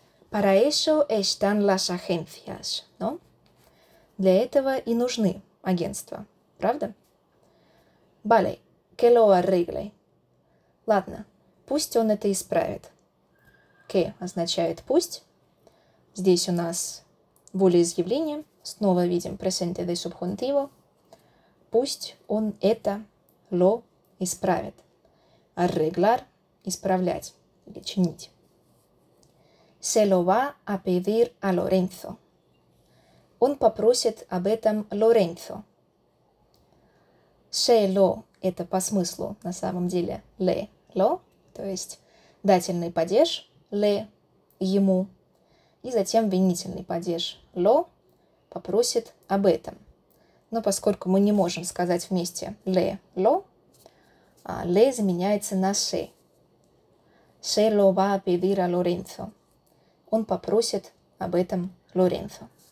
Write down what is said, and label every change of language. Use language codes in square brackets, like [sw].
[es] «Para eso están las agencias, ¿no?» [ru] «Для этого и нужны агентства, правда?» [es] «Vale, que lo arregle». [ru] «Ладно, пусть он это исправит». «Que» означает «пусть». Здесь у нас волеизъявление. Снова видим «presente de subjuntivo». «Пусть он это, lo, исправит». «Arreglar» — «исправлять» или «чинить». [es] «Se lo va a pedir a Lorenzo». [ru] «Он попросит об этом Лоренцо». «Se lo» — это по смыслу на самом деле «le», «lo», то есть дательный падеж «le» — «ему», и затем винительный падеж «lo» — «попросит об этом». Но поскольку мы не можем сказать вместе «le», «lo», «le» заменяется на «se». [es] «Se lo va a pedir a Lorenzo». [ru] «Он попросит об этом Лоренцо».